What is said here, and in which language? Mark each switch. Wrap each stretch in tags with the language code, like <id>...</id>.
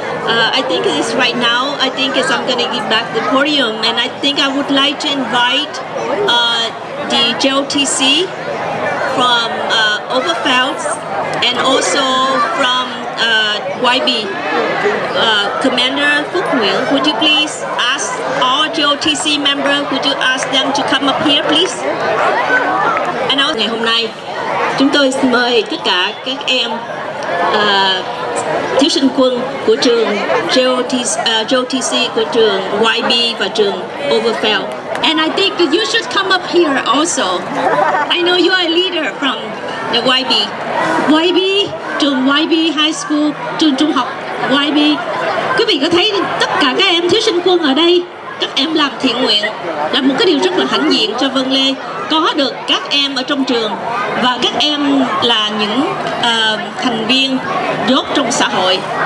<en>I think it is right now, I think it's, I'm gonna give back the podium, and I think I would like to invite the JOTC from Overfelds, and also from YB, Commander Phuc Nguyen, would you please ask all JOTC members, would you ask them to come up here, please? And now,</en> <vi>ngày hôm nay, chúng tôi mời tất cả các em thiếu sinh quân của trường JOTC, JOTC của trường YB và trường Overfelds.</vi> <en>And I think you should come up here also. I know you are a leader from the YB.</en> <vi>YB, trường YB High School, trường trung học YB. Quý vị có thấy tất cả các em thiếu sinh quân ở đây, các em làm thiện nguyện là một cái điều rất là hãnh diện cho Vân Lê. Có được các em ở trong trường và các em là những thành viên dốt trong xã hội.</vi>